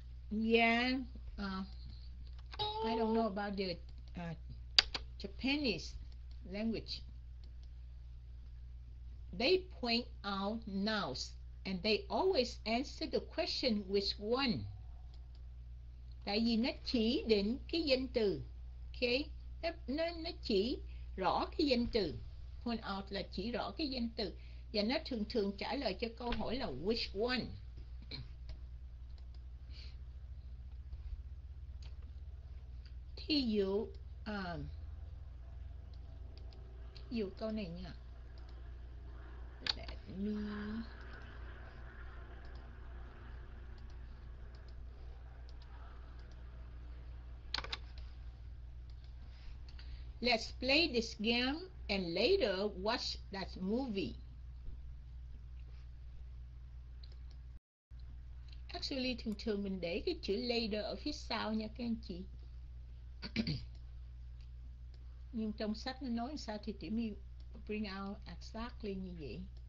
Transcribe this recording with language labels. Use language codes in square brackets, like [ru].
[en] Yeah, I don't know about the Japanese language. They point out nouns and they always answer the question which one. [vi] Tại vì nó chỉ định cái danh từ. Okay? Nó chỉ rõ cái danh từ. [en] Point out [vi] là chỉ rõ cái danh từ. Và nó thường thường trả lời cho câu hỏi là [en] which one. [vi] Thí dụ dù câu này nha. [en] Let me let's play this game and later watch that movie. [vi] Actually, thường thường mình để cái chữ later ở phía sau nha các anh chị. Nhưng trong sách nó nói sao thì Tiểu My [en] bring out exactly [vi] như vậy.